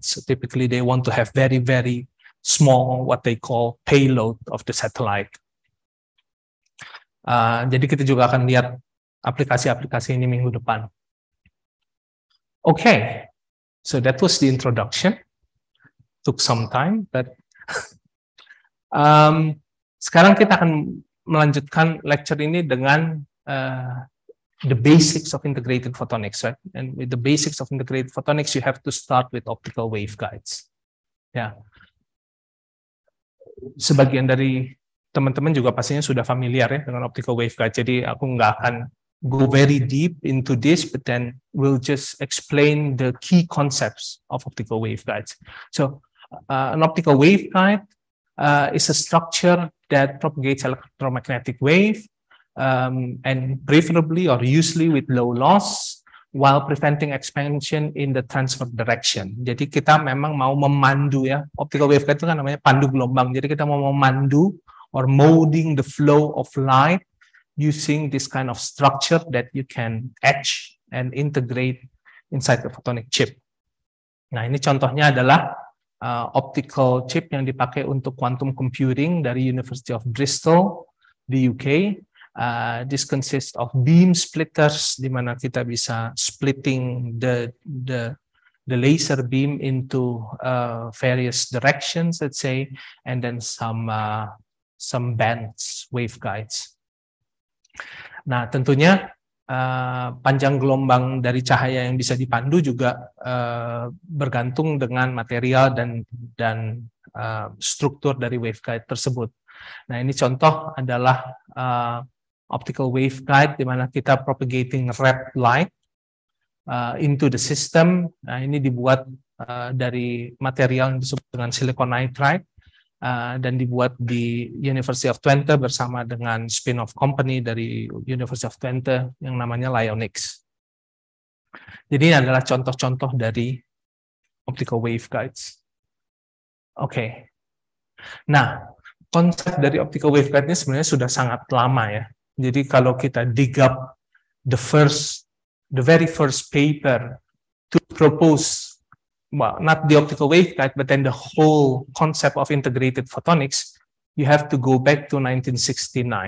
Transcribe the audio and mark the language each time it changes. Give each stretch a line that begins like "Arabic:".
English: So typically they want to have very, very small, what they call payload of the satellite.
Indonesian: Jadi kita juga akan lihat aplikasi-aplikasi ini minggu depan.
English: Okay, so that was the introduction. Took some time, but
Indonesian: sekarang kita akan melanjutkan lecture ini dengan
English: the basics of integrated photonics, right? And with the basics of integrated photonics, you have to start with optical waveguides. Yeah.
Indonesian: Sebagian dari teman-teman juga pastinya sudah familiar ya dengan optical waveguide. Jadi aku nggak akan
English: go very deep into this, but then we'll just explain the key concepts of optical waveguides. So an optical waveguide is a structure that propagates electromagnetic wave and preferably or usually with low loss while preventing expansion in the transfer direction.
Indonesian: Jadi kita memang mau memandu ya, optical waveguide itu kan namanya pandu gelombang. Jadi kita mau memandu
English: or molding the flow of light using this kind of structure that you can etch and integrate inside the photonic chip.
Indonesian: Nah, ini contohnya adalah optical chip yang dipakai untuk quantum computing dari University of Bristol di UK.
English: This consists of beam splitters,
Indonesian: di mana kita bisa
English: splitting the laser beam into various directions, let's say, and then some bands, waveguides.
Indonesian: Nah, tentunya panjang gelombang dari cahaya yang bisa dipandu juga bergantung dengan material dan struktur dari waveguide tersebut. Nah, ini contoh adalah optical waveguide di mana kita
English: propagating red light into the system.
Indonesian: Nah, ini dibuat dari material yang disebut dengan silicon nitride dan dibuat di University of Twente bersama dengan spin-off company dari University of Twente yang namanya Photonics. Jadi ini adalah contoh-contoh dari optical waveguides. Oke. Okay. Nah, konsep dari optical waveguide ini sebenarnya sudah sangat lama ya. Jadi kalau kita
English: dig up the very first paper to propose, well, not the optical waveguide, but then the whole concept of integrated photonics, you have to go back to 1969.